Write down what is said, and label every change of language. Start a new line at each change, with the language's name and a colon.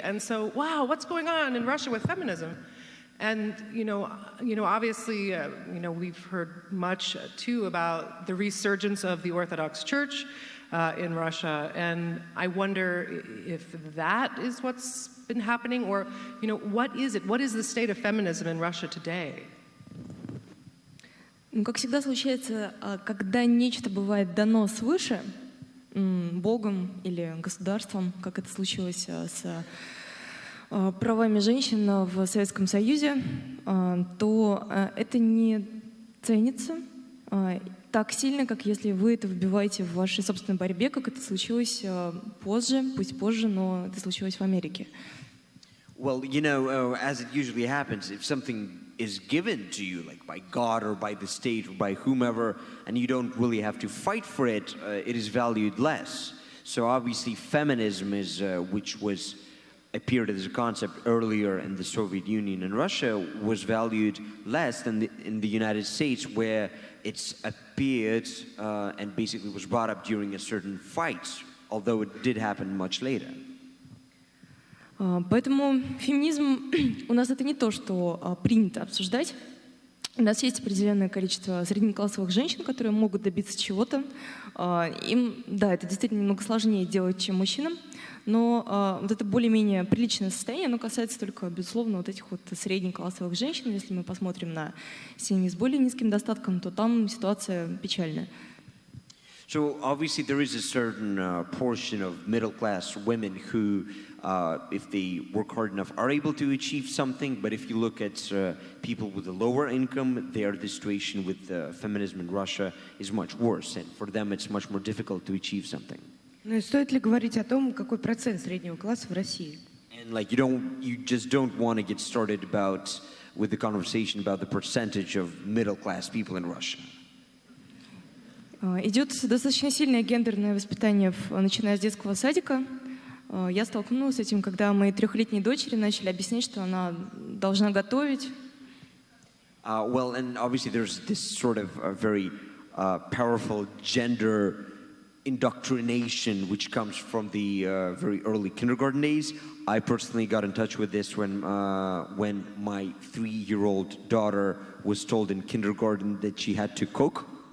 English: And so, wow, what's going on in Russia with feminism? And, you know, obviously, you know, we've heard much, too, about the resurgence of the Orthodox Church in Russia. And I wonder if that is what's been happening, or, you know, what is it? What is the state of feminism in Russia today?
Russian: Ну, как всегда случается, когда нечто бывает дано свыше, Богом или государством, как это случилось с правами женщин в Советском Союзе, то это не ценится так сильно, как если вы это выбиваете в вашей собственной борьбе, как это случилось позже, пусть позже, но это случилось в Америке.
English: Well, you know, as it usually happens, if something is given to you, like by God or by the state or by whomever, and you don't really have to fight for it, it is valued less. So obviously feminism is, which was appeared as a concept earlier in the Soviet Union and Russia, was valued less than in the United States, where it's appeared and basically was brought up during a certain fight, although it did happen much later.
Russian: Поэтому феминизм у нас это не то, что принято обсуждать. У нас есть определенное количество среднеклассовых женщин, которые могут добиться чего-то. Им, да, это действительно немного сложнее делать, чем мужчинам. Но вот это более-менее приличное состояние, оно касается только, безусловно, вот этих вот среднеклассовых женщин. Если мы посмотрим на семьи с более низким достатком, то там ситуация печальная.
English: So obviously there is a certain portion of middle-class women who, if they work hard enough, are able to achieve something. But if you look at people with a lower income, their situation with feminism in Russia is much worse, and for them it's much more difficult to achieve something.
Russian: Ну и стоит ли говорить о том, какой процент среднего класса в России?
English: And like you just don't want to get started about with the conversation about the percentage of middle-class people in Russia.
Russian: Идет достаточно сильное гендерное воспитание, начиная с детского садика. Я столкнулась с этим, когда мои трехлетние дочери начали объяснять, что она должна готовить.
English: Well, and obviously there's this sort of a very powerful gender indoctrination, which comes from the very early kindergarten days. I personally got in touch with this when my three-year-old daughter was told in kindergarten that she had to cook.